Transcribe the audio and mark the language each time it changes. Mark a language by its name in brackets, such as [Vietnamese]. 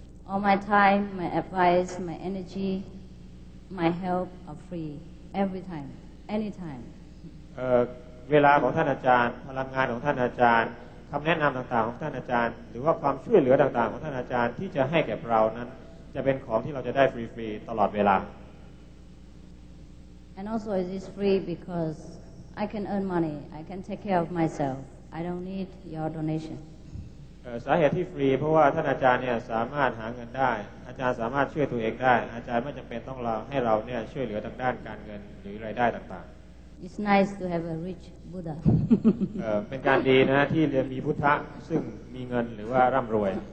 [English] All my time, my advice, my energy, my help are free every time, anytime. [Thai] เวลาของท่านอาจารย์พลังงานของท่านอาจารย์คำแนะนำต่างๆของท่านอาจารย์หรือว่าความช่วยเหลือต่างๆของท่านอาจารย์ที่จะให้แก่เรานั้นจะเป็นของที่เราจะได้ฟรีๆตลอดเวลา [English] And also it is free because I can earn money, I can take care of myself. I don't need your donation. [Thai] สาเหตุที่ฟรีเพราะว่าท่านอาจารย์เนี่ยสามารถหาเงินได้อาจารย์สามารถช่วยตัวเองได้อาจารย์ไม่จำเป็นต้องเราให้เราเนี่ยช่วยเหลือทางด้านการเงินหรือรายได้ต่าง [English] ๆ It's nice to have a rich Buddha. [Thai] เป็นการดีนะที่เรียนมีพุทธะซึ่งมีเงินหรือว่าร่ำรวย